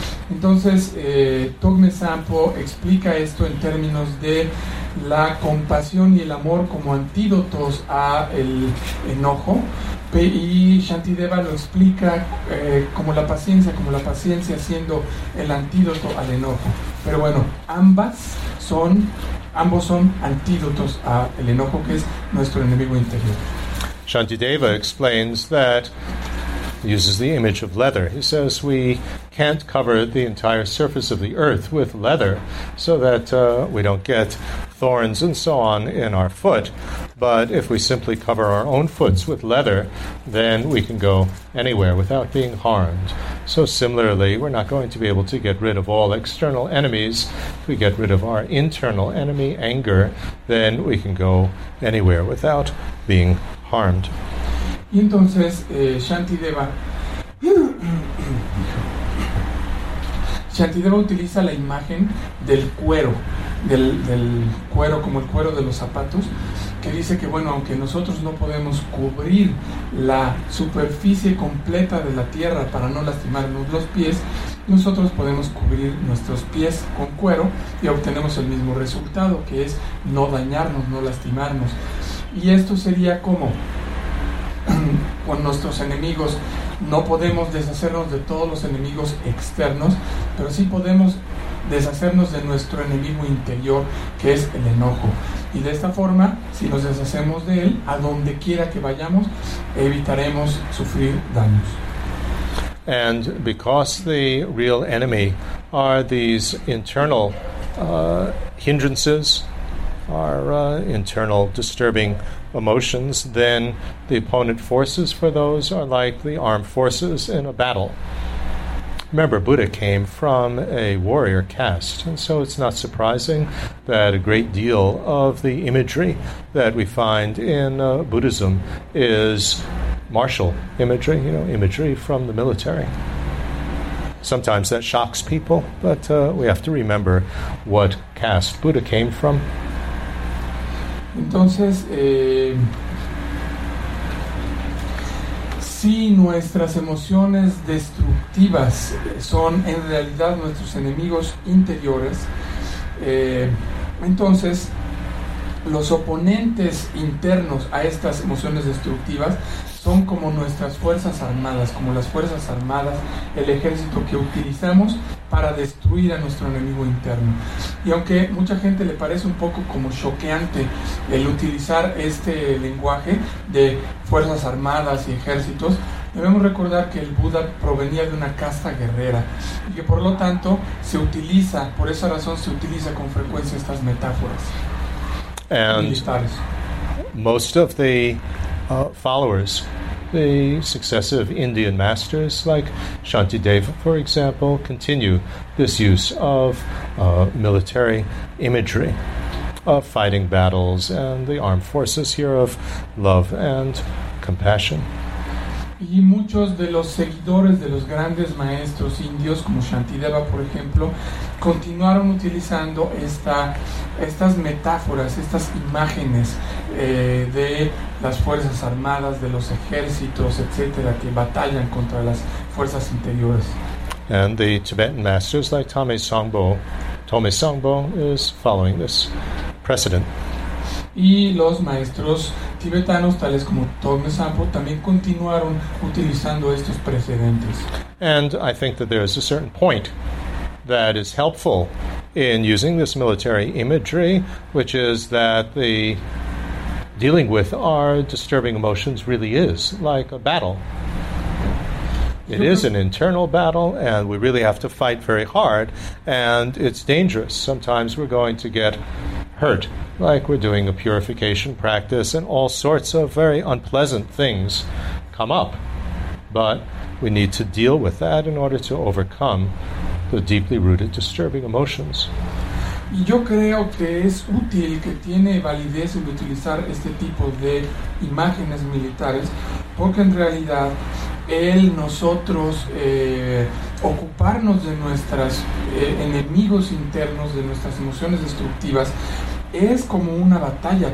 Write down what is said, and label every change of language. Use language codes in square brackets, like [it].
[es] Entonces, Togme Sampo explica esto en términos de la compasión y el amor como antídotos a el enojo, y Shantideva lo explica como la paciencia siendo el antídoto al enojo. Pero bueno, ambos son antídotos a el enojo, que es nuestro enemigo interior. [en] Shantideva explains that, uses the image of leather. He says we can't cover the entire surface of the earth with leather so that we don't get thorns and so on in our foot. But if we simply cover our own foots with leather, then we can go anywhere without being harmed. So similarly, we're not going to be able to get rid of all external enemies. If we get rid of our internal enemy, anger, then we can go anywhere without being harmed. [es] Y entonces Shantideva utiliza la imagen del cuero, del cuero como el cuero de los zapatos, que dice que bueno, aunque nosotros no podemos cubrir la superficie completa de la tierra para no lastimarnos los pies, nosotros podemos cubrir nuestros pies con cuero y obtenemos el mismo resultado, que es no dañarnos, no lastimarnos. Y esto sería como con nuestros enemigos. No podemos deshacernos de todos los enemigos externos, pero sí podemos deshacernos de nuestro enemigo interior, que es el enojo. Y de esta forma, si nos deshacemos de él, a donde quiera que vayamos, evitaremos sufrir daños. [en] And because the real enemy are these internal hindrances, our internal disturbing emotions, then the opponent forces for those are like the armed forces in a battle. Remember, Buddha came from a warrior caste, and so it's not surprising that a great deal of the imagery that we find in Buddhism is martial imagery, you know, imagery from the military. Sometimes that shocks people, but we have to remember what caste Buddha came from. [es] Entonces, si nuestras emociones destructivas son en realidad nuestros enemigos interiores, entonces los oponentes internos a estas emociones destructivas son como nuestras fuerzas armadas, como las fuerzas armadas, el ejército que utilizamos para destruir a nuestro enemigo interno. Y aunque mucha gente le parece un poco como choqueante el utilizar este lenguaje de fuerzas armadas y ejércitos, debemos recordar que el Buda provenía de una casta guerrera y que por lo tanto se utiliza, por esa razón se utiliza con frecuencia estas metáforas militares. [en] Most of the followers, the successive Indian masters like Shantideva, for example, continue this use of military imagery of fighting battles and the armed forces here of love and compassion. [es] Y muchos de los seguidores de los grandes maestros indios como Shantideva, por ejemplo, continuaron utilizando estas metáforas, estas imágenes de las fuerzas armadas, de los ejércitos, etcétera, que batallan contra las fuerzas interiores. [en] And the Tibetan masters like Tome Sangbo is following this precedent. [es] Y los maestros tibetanos tales como Togme Sampo también continuaron utilizando estos precedentes. [en] And I think that there is a certain point that is helpful in using this military imagery, which is that the dealing with our disturbing emotions really is like a battle. It is an internal battle, and we really have to fight very hard, and it's dangerous. Sometimes we're going to get hurt, like we're doing a purification practice, and all sorts of very unpleasant things come up. But we need to deal with that in order to overcome the deeply rooted disturbing emotions. [es] Yo creo que es útil, que tiene validez el utilizar este tipo de imágenes militares, porque en realidad el nosotros ocuparnos de nuestros enemigos internos, de nuestras emociones destructivas, es como una batalla.